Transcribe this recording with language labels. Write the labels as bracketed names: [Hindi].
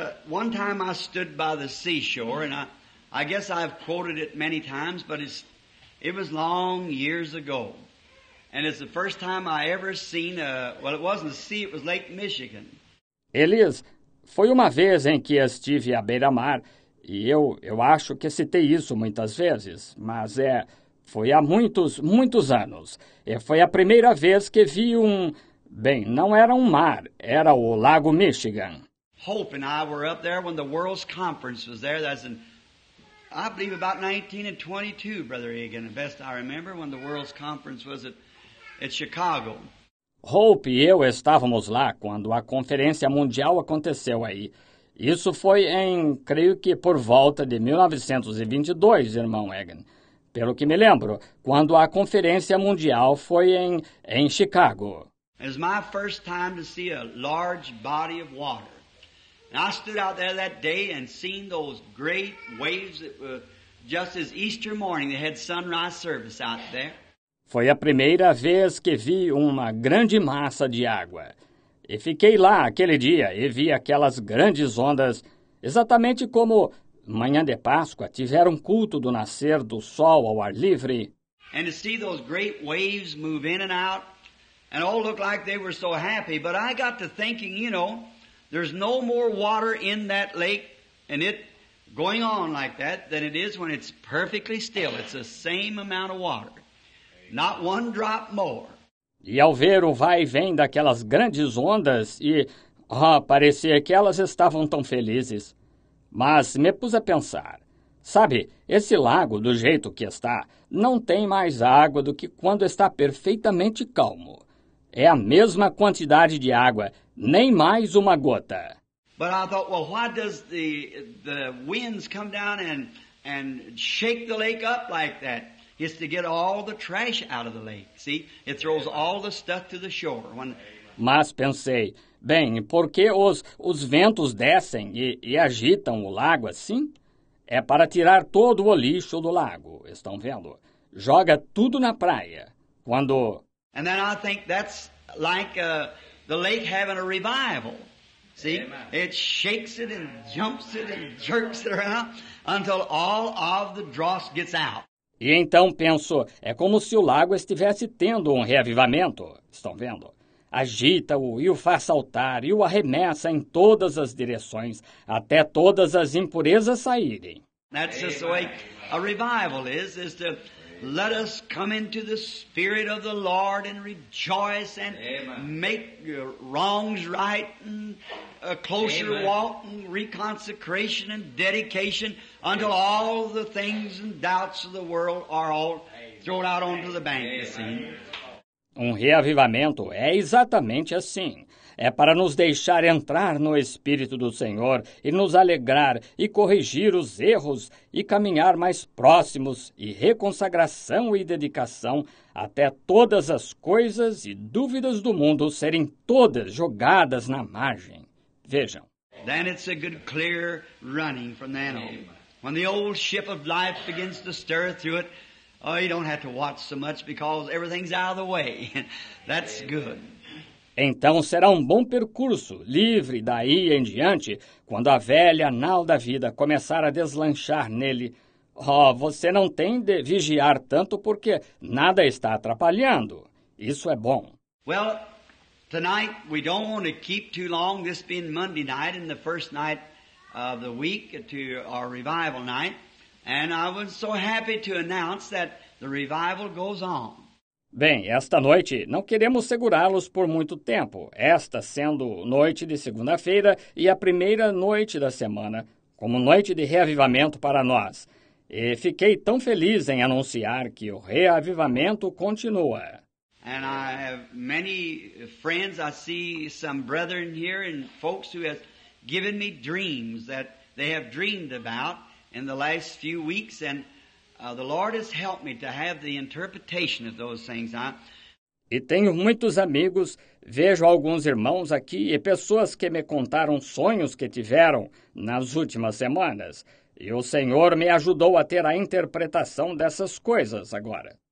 [English] One time I stood by the seashore, and I guess I've quoted it many times, but it was long years ago. And it's the first time I ever seen it wasn't a sea, it was Lake Michigan. [Portuguese] Elias, foi uma vez em que estive à beira-mar, e eu acho que citei isso muitas vezes, mas foi há muitos, muitos anos. E foi a primeira vez que vi bem, não era um mar, era o Lago Michigan. [English] Hope and I were up there when the World's Conference was there. That's in, I believe, about 1922, Brother Egan, the best I remember, when the World's Conference was at Chicago. [Portuguese] Hope e eu estávamos lá quando a Conferência Mundial aconteceu aí. Isso foi em, creio que por volta de 1922, irmão Egan. Pelo que me lembro, quando a Conferência Mundial foi em Chicago. [English] It was my first time to see a large body of water. And I stood out there that day and seen those great waves that were just as Easter morning. They had sunrise service out there. [Portuguese] Foi a primeira vez que vi uma grande massa de água. E fiquei lá aquele dia e vi aquelas grandes ondas, exatamente como manhã de Páscoa tiveram culto do nascer do sol ao ar livre. [English] And to see those great waves move in and out, and all looked like they were so happy. But I got to thinking, you know, there's no more water in that lake and it going on like that than it is when it's perfectly still. It's the same amount of water. Not one drop more. [Portuguese] E ao ver o vai e vem daquelas grandes ondas parecia que elas estavam tão felizes. Mas me pus a pensar. Sabe, esse lago, do jeito que está, não tem mais água do que quando está perfeitamente calmo. É a mesma quantidade de água, nem mais uma gota. [English] But I thought, well, why does the winds come down and shake the lake up like that? It's to get all the trash out of the lake. See, it throws all the stuff to the shore. [Portuguese] Mas pensei, bem, por que os ventos descem e agitam o lago assim? É para tirar todo o lixo do lago, estão vendo? Joga tudo na praia. Quando... [English] And then I think that's like the lake having a revival. See, it shakes it and jumps it and jerks it around until all of the dross gets out. [Portuguese] E então penso, é como se o lago estivesse tendo um reavivamento, estão vendo? Agita-o e o faz saltar e o arremessa em todas as direções, até todas as impurezas saírem. [English] That's just the way a revival is to let us come into the Spirit of the Lord and rejoice and make wrongs right and a closer walk and reconsecration and dedication until all the things and doubts of the world are all thrown out onto the bank. [Portuguese] Um reavivamento é exatamente assim. É para nos deixar entrar no Espírito do Senhor e nos alegrar e corrigir os erros e caminhar mais próximos e reconsagração e dedicação até todas as coisas e dúvidas do mundo serem todas jogadas na margem. Vejam. [English] Then it's a good clear running from then on. When the old ship of life begins to stir through it, oh, you don't have to watch so much because everything's out of the way. That's good. [Portuguese] Então será um bom percurso, livre daí em diante, quando a velha nau da vida começar a deslanchar nele. Oh, você não tem de vigiar tanto porque nada está atrapalhando. Isso é bom. [English] Well, Tonight we don't want to keep too long, this being Monday night and the first night of the week to our revival night, and I was so happy to announce that the revival goes on. [Portuguese] Bem, esta noite não queremos segurá-los por muito tempo, esta sendo noite de segunda-feira e a primeira noite da semana, como noite de reavivamento para nós. E fiquei tão feliz em anunciar que o reavivamento continua. [English] And I have many friends, I see some brethren here and folks who have given me dreams that they have dreamed about in the last few weeks, and the Lord has helped me to have the interpretation of those things. [Portuguese] E tenho muitos amigos, vejo alguns irmãos aqui e pessoas que me contaram sonhos que tiveram nas últimas semanas. E o Senhor me ajudou a ter a interpretação dessas coisas agora.